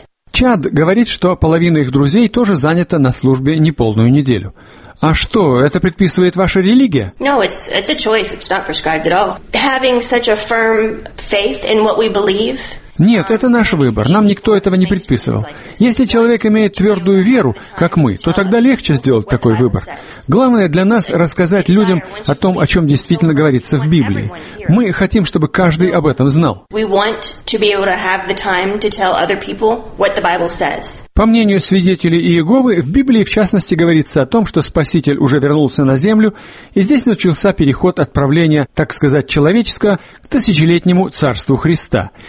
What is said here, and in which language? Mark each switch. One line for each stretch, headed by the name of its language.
Russian: Чад говорит, что половина их друзей тоже занята на службе неполную неделю. А что, это предписывает ваша религия?
English: No, it's a choice. It's not prescribed at all. Having such a firm faith in what we believe.
Russian: Нет, это наш выбор, нам никто этого не предписывал. Если человек имеет твердую веру, как мы, то тогда легче сделать такой выбор. Главное для нас рассказать людям о том, о чем действительно говорится в Библии. Мы хотим, чтобы каждый об этом знал. По мнению свидетелей Иеговы, в Библии, в частности, говорится о том, что Спаситель уже вернулся на землю, и здесь начался переход от правления, так сказать, человеческого, к тысячелетнему царству Христа.